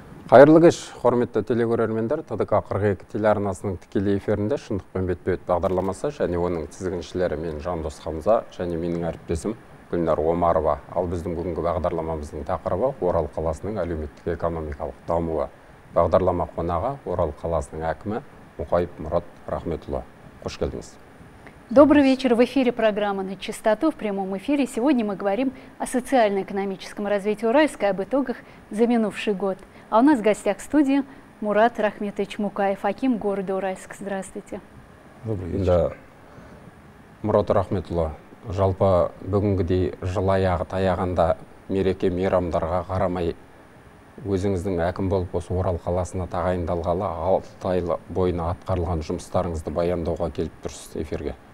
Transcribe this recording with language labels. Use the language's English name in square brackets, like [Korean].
[Kazakh] Қайырлы кеш, құрметті телекөрермендер, ТДК 42 телеарнасының тікелей эфирінде шындық пен бетпе-бет бағдарламасы және оның тізгіншілері мен Жандос Хамза және менің әріптесім Гүлнар Омарова. Ал біздің бүгінгі бағдарламамыздың тақырыбы Орал қаласының әлеуметтік экономикалық дамуы. Бағдарлама қонағы Орал қаласының әкімі Мұқайып Мұрат Рахметұлы. Қош келдіңіз. [Russian] Добрый вечер. В эфире программа «На чистоту». В прямом эфире сегодня мы говорим о социально-экономическом развитии Уральска и об итогах за минувший год. А у нас в гостях в студии Мурат Рахметович Мукаев, аким города Уральск. Здравствуйте. Добрый вечер. Да. [Kazakh] Мурат Рахметұлы, жалпы бүгінгідей жыл аяғы таяғанда мереке мейрамдарға қарамай, өзіңіздің әкім болып осы Орал қаласына тағайындалғалы 6 ай бойына атқарылған жұмыстарыңызды баяндауға келіп тұрсыз эфирге.